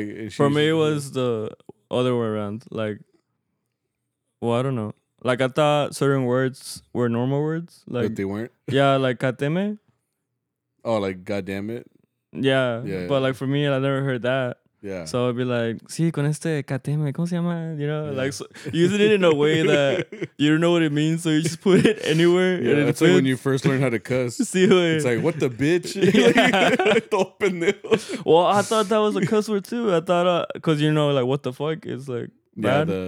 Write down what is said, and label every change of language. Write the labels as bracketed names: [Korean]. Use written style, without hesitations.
[English] For me, it was the other way around. Like, well, I don't know. Like, I thought certain words were normal words. Like, but they weren't? Yeah, like, kateme. Oh, like, goddamn it? Yeah. But, like, for me, I never heard that. Yeah. So I'd be like, [Spanish] sí, con este kateme, ¿cómo se llama? [English] You know, like, so, using it in a way that you don't know what it means, so you just put it anywhere. Yeah, that's like when you first learn how to cuss. See, like, it's like, what the bitch? Yeah. Well, I thought that was a cuss word, too. I thought, because, you know, like, what the fuck is, like, bad.